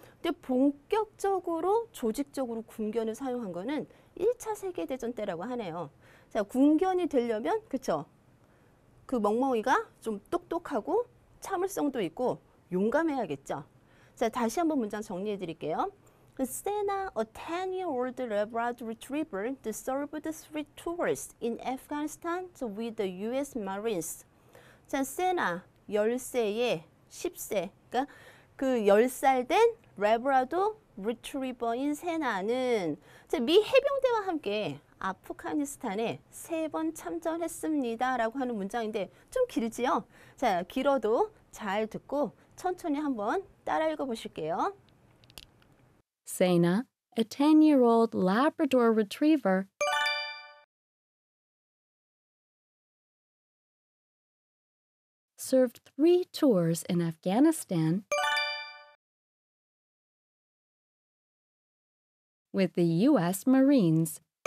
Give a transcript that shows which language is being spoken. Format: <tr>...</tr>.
<ko>근데 본격적으로 조직적으로 군견을 사용한 거는 1차 세계대전 때라고 하네요. 자, 군견이 되려면, 그쵸? 그 멍멍이가 좀 똑똑하고 참을성도 있고 용감해야겠죠? 자, 다시 한번 문장 정리해 드릴게요.</ko> <en>Sena, a 10-year-old Labrador Retriever, served three tours in Afghanistan with the U.S. Marines.</en> <ko>자, Sena, 10세에, 10세. 그러니까 그 10살 된 Labrador Retriever인 Sena는 미 해병대와 함께 아프가니스탄에 세 번 참전했습니다 라고 하는 문장인데 좀 길지요? 자, 길어도 잘 듣고 천천히 한번 따라 읽어 보실게요.</ko> <en>Sena, a 10-year-old Labrador Retriever, served three tours in Afghanistan with the U.S. Marines.</en>